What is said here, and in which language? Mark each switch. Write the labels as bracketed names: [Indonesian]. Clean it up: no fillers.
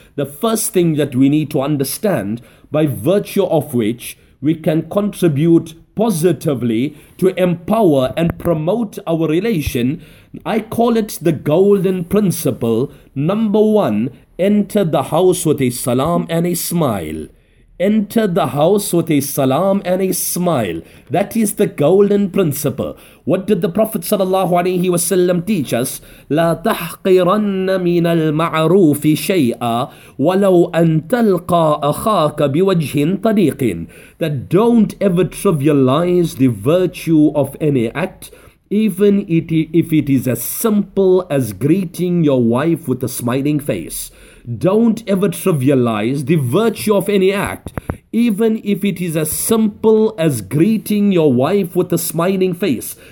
[English] The first thing that we need to understand, by virtue of which we can contribute positively to empower and promote our relation, I call it the golden principle. Number one, enter the house with a salam and a smile. Enter the house with a salam and a smile. That is the golden principle. What did the Prophet sallallahu alaihi wasallam teach us? [Arabic] لا تحقرن من المعروف شيئا ولو أن تلقى أخاك بوجه طريق. [English] That don't ever trivialize the virtue of any act, even if it is as simple as greeting your wife with a smiling face. Don't ever trivialize the virtue of any act, even if it is as simple as greeting your wife with a smiling face.